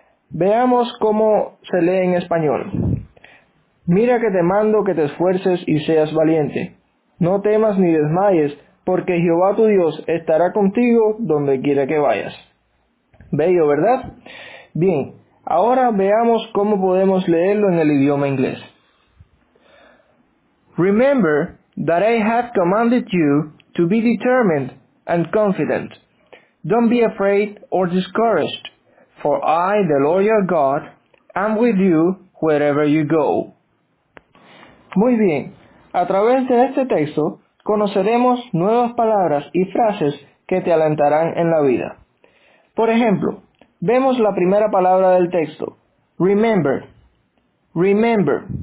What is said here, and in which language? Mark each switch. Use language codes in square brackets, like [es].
[es] Veamos cómo se lee en español. Mira que te mando que te esfuerces y seas valiente. No temas ni desmayes, porque Jehová tu Dios estará contigo donde quiera que vayas. Bello, ¿verdad? Bien, ahora veamos cómo podemos leerlo en el idioma inglés. [en] Remember that I have commanded you to be determined and confident. Don't be afraid or discouraged. For I, the Lord your God, am with you wherever you go. [es] Muy bien, a través de este texto conoceremos nuevas palabras y frases que te alentarán en la vida. Por ejemplo, vemos la primera palabra del texto, remember, remember.